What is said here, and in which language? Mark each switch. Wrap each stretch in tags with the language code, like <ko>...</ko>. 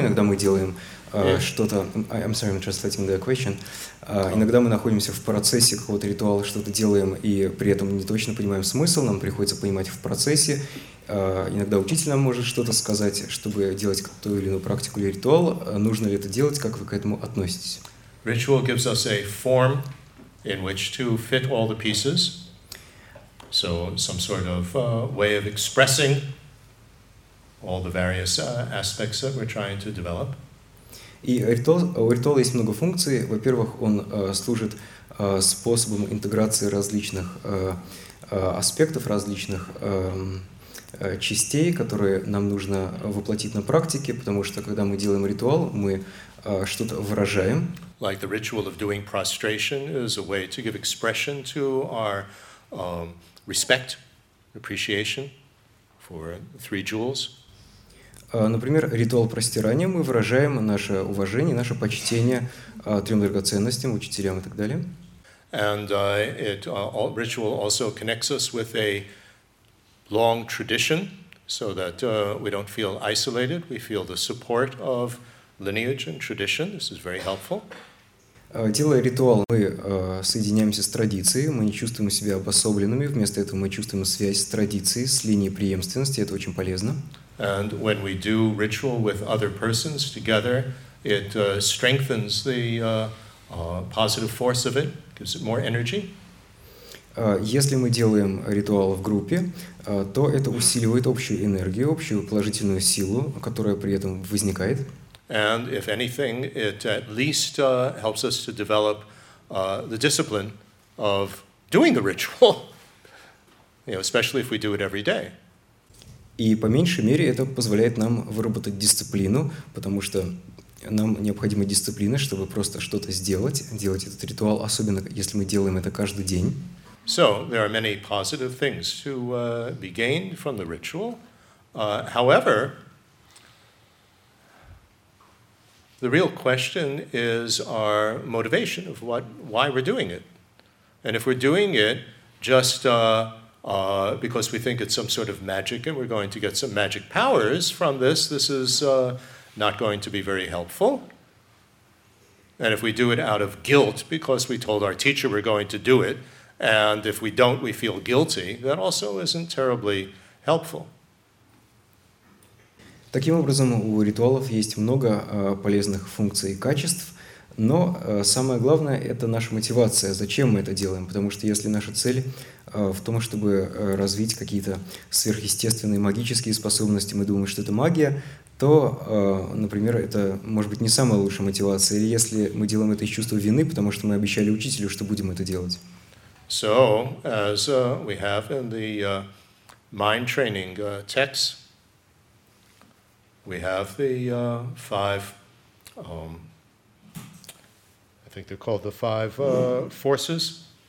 <ru>Иногда мы делаем что-то...</ru> <en>I'm sorry, I'm translating the question.</en> <ru>Иногда мы находимся в процессе какого-то ритуала, что-то делаем, и при этом не точно понимаем смысл, нам приходится понимать в процессе. Иногда учитель нам может что-то сказать, чтобы делать ту или иную практику или ритуал. Нужно ли это делать? Как вы к этому относитесь?</ru> <en>Ritual gives us a form in which to fit all the pieces. So some sort of way of expressing all the various aspects that we're trying to develop.</en> <ru>И у ритуала есть много функций. Во-первых, он служит способом интеграции различных аспектов, различных частей, которые нам нужно воплотить на практике, потому что когда мы делаем ритуал, мы что-то выражаем.</ru> <en>Like the ritual of doing prostration is a way to give expression to our respect, appreciation for three jewels.</en> <ru>Например, ритуал простирания мы выражаем наше уважение, наше почтение трем драгоценностям, учителям и так далее.</ru> <en>And ritual also connects us with a long tradition, so that we don't feel isolated. We feel the support of lineage and tradition. This is very helpful.</en> <ru>Делая ритуал, мы соединяемся с традицией, мы не чувствуем себя обособленными, вместо этого мы чувствуем связь с традицией, с линией преемственности, это очень полезно.</ru> <en>And when we do ritual with other persons together, it strengthens the positive force of it, gives it more energy.</en> <ru>Если мы делаем ритуал в группе, то это усиливает общую энергию, общую положительную силу, которая при этом возникает.</ru> <en>And if anything, it at least helps us to develop the discipline of doing the ritual, you know, especially if we do it every day.</en> <ru>И по меньшей мере это позволяет нам выработать дисциплину, потому что нам необходима дисциплина, чтобы просто что-то сделать, делать этот ритуал, особенно если мы делаем это каждый день.</ru> <en>So there are many positive things to be gained from the ritual. However, the real question is our motivation of why we're doing it. And if we're doing it just because we think it's some sort of magic and we're going to get some magic powers from this, this is not going to be very helpful. And if we do it out of guilt, because we told our teacher we're going to do it, and if we don't, we feel guilty, that also isn't terribly helpful.</en> <ru>Таким образом, у ритуалов есть много полезных функций и качеств, но самое главное – это наша мотивация, зачем мы это делаем, потому что если наша цель в том, чтобы развить какие-то сверхъестественные магические способности, мы думаем, что это магия, то, например, это может быть не самая лучшая мотивация, или если мы делаем это из чувства вины, потому что мы обещали учителю, что будем это делать.</ru> <en>So, as we have in the mind training texts, we have the five, I think they're called the five forces.</en>